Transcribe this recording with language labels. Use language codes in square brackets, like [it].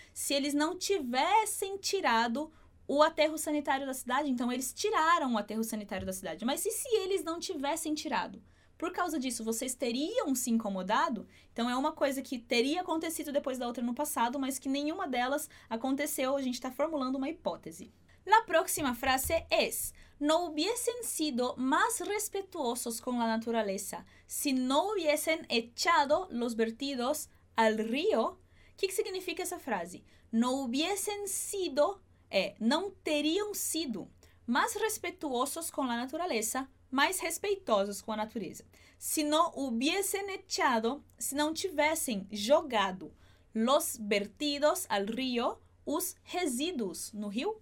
[pt] Se eles não tivessem tirado o aterro sanitário da cidade, então eles tiraram o aterro sanitário da cidade. Mas e se eles não tivessem tirado? Por causa disso, vocês teriam se incomodado? Então, é uma coisa que teria acontecido depois da outra no passado, mas que nenhuma delas aconteceu. A gente está formulando uma hipótese. [es] La próxima frase es: no hubiesen sido más respetuosos con la naturaleza si no hubiesen echado los vertidos al río. [pt] O que significa essa frase? [es] No hubiesen sido, [pt] não teriam sido [es] más respetuosos con la naturaleza, [pt] mais respeitosos com a natureza. Se não [es] hubiesen echado, [pt] se não tivessem jogado [es] los vertidos al río, [pt] os resíduos no rio.